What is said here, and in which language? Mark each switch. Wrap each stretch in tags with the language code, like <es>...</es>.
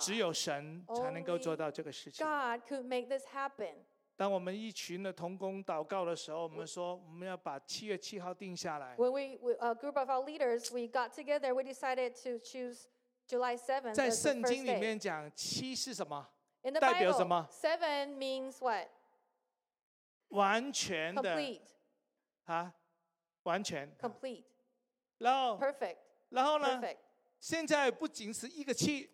<zh>只有神才能够做到这个事情。</zh> <en>Only God could make this happen.</en> <zh>当我们一群的同工祷告的时候，我们说我们要把七月七号定下来。</zh> <en>When a group of our leaders, we got together, we decided to choose July 7th.</en> <zh>在圣经里面讲七是什么？</zh> <en>In the</en> <zh>代表什么？</zh> <en>Bible, seven means what?</en> <zh>完全的。</zh> <en>Complete.</en> <zh>啊？完全</zh> <en>complete，</en> <zh>然后</zh> <en>perfect，</en> <zh>然后呢？</zh> <en>Perfect.</en> <zh>现在不仅是一个七，</zh>